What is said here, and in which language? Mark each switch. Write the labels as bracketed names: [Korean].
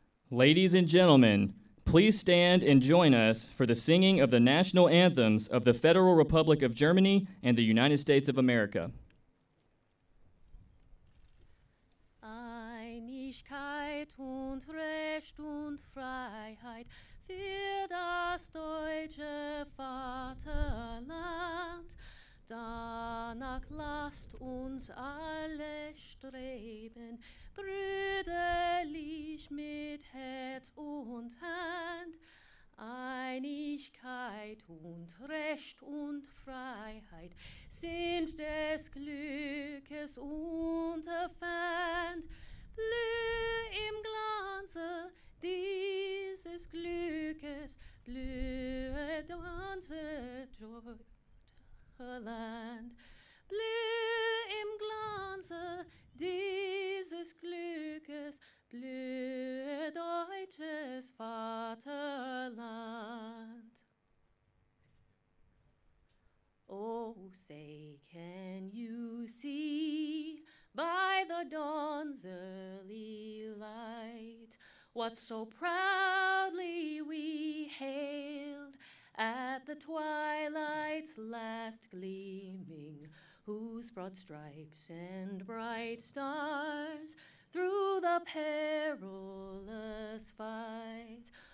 [English] Ladies and gentlemen, please stand and join us for the singing of the national anthems of the Federal Republic of Germany and the United States of America. [German] Einigkeit und Recht und Freiheit für das deutsche Vaterland. Danach lasst uns alle streben, brüderlich mit Herz und Hand. Einigkeit und Recht und Freiheit sind des Glückes unterfand. Blüh im Glanze dieses Glückes, blühe unsere Joy. Land. Blüh im Glanze dieses Glückes, blühe deutsches Vaterland. [English] Oh, say can you see by the dawn's early light what so proudly we hailed at the twilight's last gleaming, whose broad stripes and bright stars through the perilous fight,